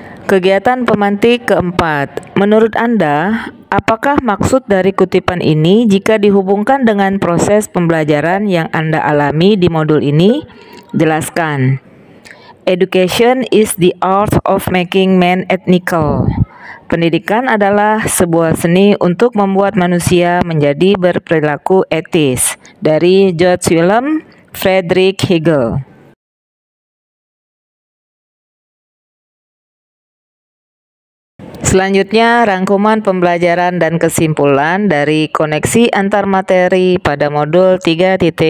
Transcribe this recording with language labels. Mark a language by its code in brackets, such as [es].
[id] Kegiatan pemantik keempat, menurut Anda, apakah maksud dari kutipan ini jika dihubungkan dengan proses pembelajaran yang Anda alami di modul ini? Jelaskan. [en] Education is the art of making men ethical. [id] Pendidikan adalah sebuah seni untuk membuat manusia menjadi berperilaku etis. Dari George Wilhelm Friedrich Hegel. Selanjutnya, rangkuman pembelajaran dan kesimpulan dari koneksi antar materi pada modul 3.1.